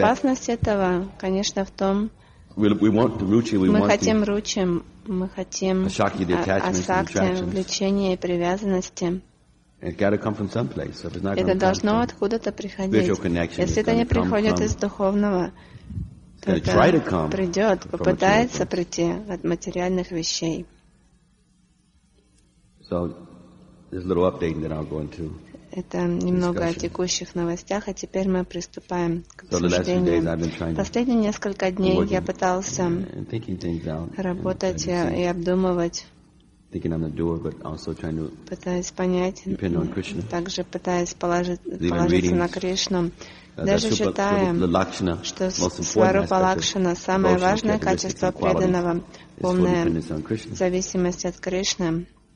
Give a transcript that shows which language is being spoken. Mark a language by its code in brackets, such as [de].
[ru] опасность этого, конечно, в том, мы хотим ручи, мы хотим асакти, влечения и привязанности. Это должно откуда-то приходить. Если это не приходит из духовного, то это придет, попытается прийти от материальных вещей. [en] So, there's a little update that I'll go into. [ru] Это немного о текущих новостях, а теперь мы приступаем к обсуждению. Последние несколько дней я пытался работать и обдумывать, пытаясь понять, также пытаясь положиться на Кришну, даже считая, что Сварупа Лакшана — самое важное качество преданного, полная зависимость от Кришны.